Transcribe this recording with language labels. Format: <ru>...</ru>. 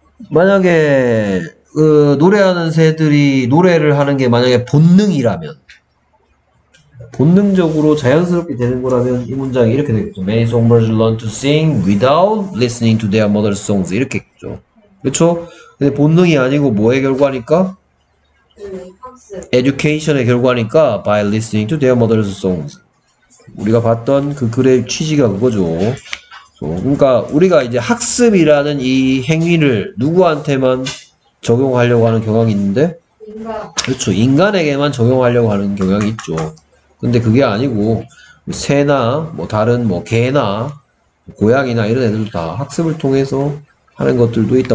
<ko>만약에 그 노래하는 새들이 노래를 하는 게 만약에 본능이라면, 본능적으로 자연스럽게 되는 거라면 이 문장이 이렇게 되겠죠.</ko> <en>Many songbirds learn to sing without listening to their mother's songs.</en> <ko>이렇게 했죠. 그렇죠? 근데 본능이 아니고 뭐의 결과니까?</ko> <en>Education</en> <ko>의 결과니까</ko> <en>by listening to their mother's songs.</en> <ko>우리가 봤던 그 글의 취지가 그거죠. 그러니까 우리가 이제 학습이라는 이 행위를 누구한테만 적용하려고 하는 경향이 있는데, 인간. 그렇죠. 인간에게만 적용하려고 하는 경향이 있죠. 근데 그게 아니고 새나 뭐 다른 뭐 개나 고양이나 이런 애들도 다 학습을 통해서 하는 것들도 있다.</ko>